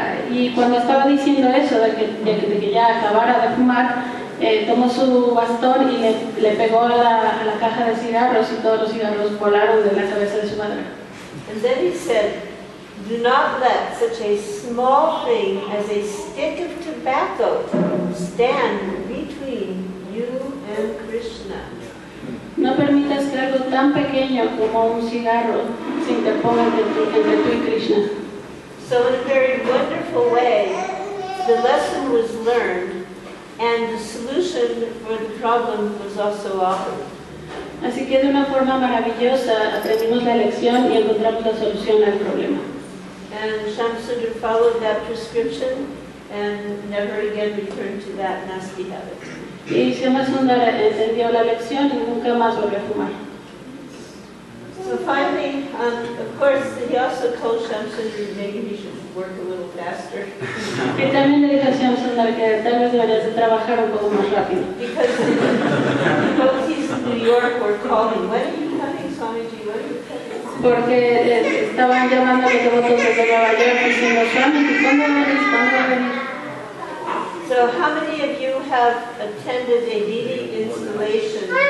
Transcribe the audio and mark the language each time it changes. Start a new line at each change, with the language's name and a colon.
Spanish: Y cuando estaba diciendo eso de que ya acabara de fumar, tomó su bastón y le pegó a la caja de cigarros y todos los cigarros volaron de la cabeza de su madre.
English: And then he said, do not let such a small thing as a stick of tobacco stand between you and Krishna.
Spanish: No permitas que algo tan pequeño como un cigarro se interponga entre tú y Krishna.
English: So in a very wonderful way, the lesson was learned, and the solution for the problem was also offered.
Spanish: Así que de una forma maravillosa aprendimos la lección y encontramos la solución al problema.
English: And Shamsundar followed that prescription and never again returned to that nasty habit.
Spanish: Y Shamsundar entendió la lección y nunca más volvió a fumar.
English: So finally, of course, he also told Shamsundar maybe he should work a little faster.
Spanish: Y también le dijo a Shamsundar que tal vez deberías trabajar un poco más rápido.
English: Because the devotees in New York were calling, when are you coming, Swamiji? When are you coming?
Spanish: Porque estaban llamando a los devotos de Nueva York diciendo, Swamiji, ¿cuándo vienes? ¿Cuándo vienes?
English: So how many of you have attended a DVD installation?